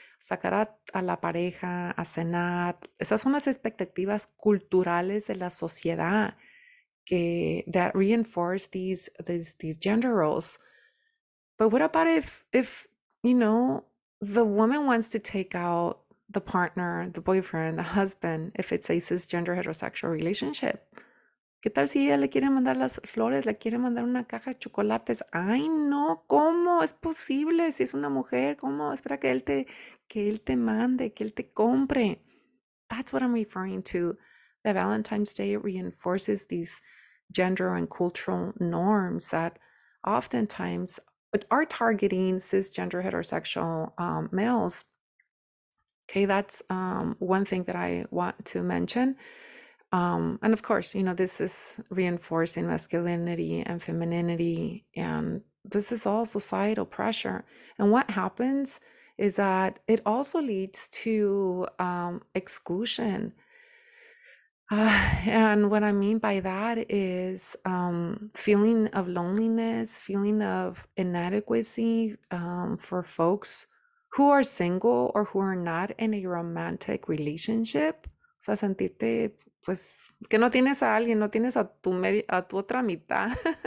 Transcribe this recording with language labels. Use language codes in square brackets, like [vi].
[es] Sacar a la pareja a cenar. Esas son las expectativas culturales de la sociedad que [en] that reinforce these gender roles. But what about if the woman wants to take out the partner, the boyfriend, the husband, if it's a cisgender heterosexual relationship? [es] ¿Qué tal si ella le quiere mandar las flores, le quiere mandar una caja de chocolates? Ay, no, ¿cómo es posible? Si es una mujer, ¿cómo? Espera que él te mande, que él te compre. [en] That's what I'm referring to. The Valentine's Day reinforces these gender and cultural norms that oftentimes are targeting cisgender heterosexual males. Okay, that's one thing that I want to mention. And of course, this is reinforcing masculinity and femininity, and this is all societal pressure. And what happens is that it also leads to exclusion. And what I mean by that is feeling of loneliness, feeling of inadequacy for folks who are single or who are not in a romantic relationship. [es] O sea, sentirte, pues, que no tienes a alguien, no tienes a tu otra mitad.